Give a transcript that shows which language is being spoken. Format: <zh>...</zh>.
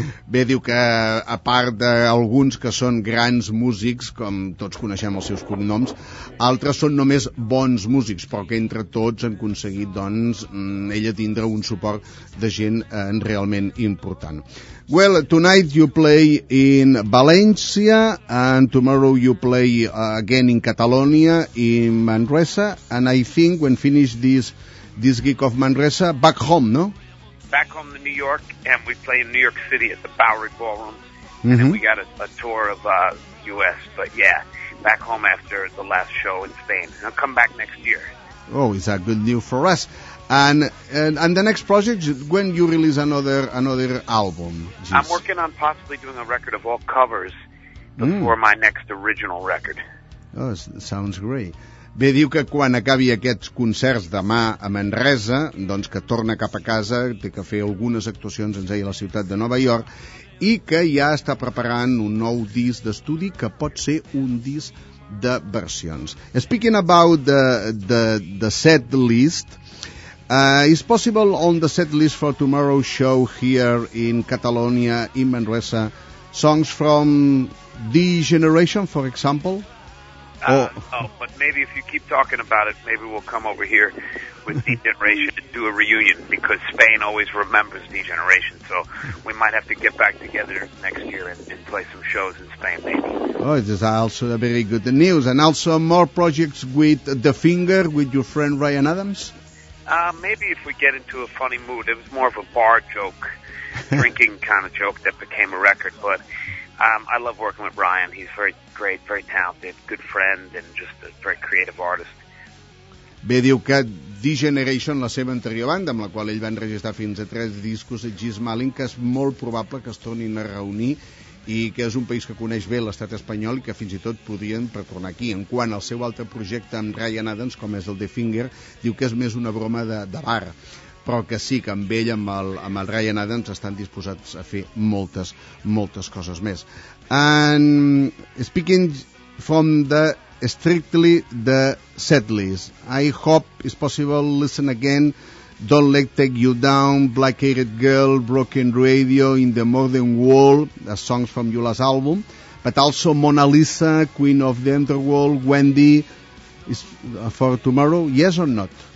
<ca>Bé, diu que a part d'alguns que són grans músics, com tots coneixem els seus cognoms, altres són només bons músics, però que entre tots han aconseguit, doncs, ella tindre un suport de gent realment important.</ca> <en>Well, tonight you play in Valencia, and tomorrow you play again in Catalonia, in Manresa, and I think when finish this gig of Manresa, back home, no? Back home to New York, and we play in New York City at the Bowery Ballroom, mm-hmm. and then we got a tour of U.S., but yeah, back home after the last show in Spain, and I'll come back next year. Oh, is that good news for us? And the next project, when you release another album? Jeez. I'm working on possibly doing a record of all covers before my next original record. Oh, sounds great.</en> <ca>Bé, diu que quan acabi aquests concerts demà a Manresa, doncs que torna cap a casa, té que fer algunes actuacions, ens deia, a la ciutat de Nova York, i que ja està preparant un nou disc d'estudi que pot ser un disc de versions.</ca> <en>Speaking about the set list, is possible on the set list for tomorrow's show here in Catalonia, in Manresa, songs from the generation, for example? But maybe if you keep talking about it, maybe we'll come over here with D-Generation to do a reunion, because Spain always remembers D-Generation, so we might have to get back together next year and play some shows in Spain, maybe. Oh, it is also a very good news. And also more projects with The Finger, with your friend Ryan Adams? Maybe if we get into a funny mood. It was more of a bar joke, drinking kind of joke that became a record, but... I love working with Ryan. He's very great, very talented, good friend, and just a very creative artist.</en> <ca>Bé, diu que D-Generation, la seva anterior banda, amb la qual ell va enregistrar fins a 3 discos de G-Smalling, que és molt probable que es tornin a reunir i que és un país que coneix bé l'estat espanyol i que fins i tot podien retornar aquí. En quant al seu altre projecte amb Ryan Adams, com és el The Finger, diu que és més una broma de bar, però que sí, que amb ell, amb el Ryan Adams, estan disposats a fer moltes, moltes coses més.</ca> <en>And speaking from strictly the set list, I hope it's possible, listen again, Don't Let Take You Down, Black-Eyed Girl, Broken Radio, In the Modern World, the songs from Yula's album, but also Mona Lisa, Queen of the Underworld, Wendy, is for tomorrow, yes or not?</en>